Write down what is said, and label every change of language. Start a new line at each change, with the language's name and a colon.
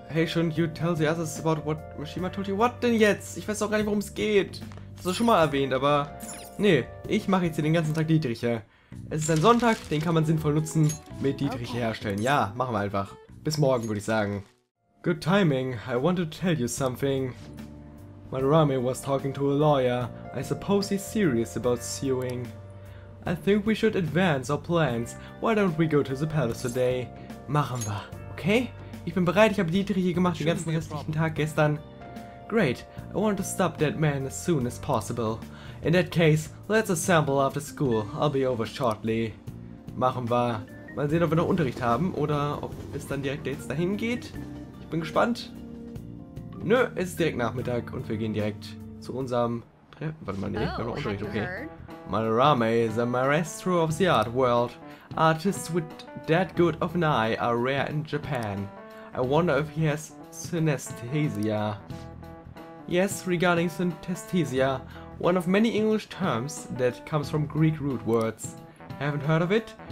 English: Hey, shouldn't you tell the others about what Mashima told you? What
German: denn jetzt? Ich weiß auch gar nicht, worum es geht. Das ist schon mal erwähnt, aber nee, ich mache jetzt hier den ganzen Tag Dietriche. Es ist ein Sonntag, den kann man sinnvoll nutzen, mit Dietriche herstellen. Ja, machen wir einfach. Bis morgen, würde ich sagen.
English: Good timing, I want to tell you something. Madarame was talking to a lawyer. I suppose he's serious about suing. I think we should advance our plans. Why don't we go to the palace today?
German: Machen wir, okay? Ich bin bereit, ich habe Dietriche gemacht den ganzen restlichen Tag gestern.
English: Great, I want to stop that man as soon as possible. In that case, let's assemble after school. I'll be over shortly.
German: Machen wir. Mal sehen, ob wir noch Unterricht haben oder ob es dann direkt jetzt dahin geht. Ich bin gespannt. Nö, es ist direkt Nachmittag und wir gehen direkt zu unserem Treffen. Warte mal, nee, wir haben noch Unterricht, okay.
English: Madarame is a maestro of the art world. Artists with that good of an eye are rare in Japan. I wonder if he has synesthesia. Yes, regarding synesthesia, one of many English terms that comes from Greek root words. Haven't heard of it?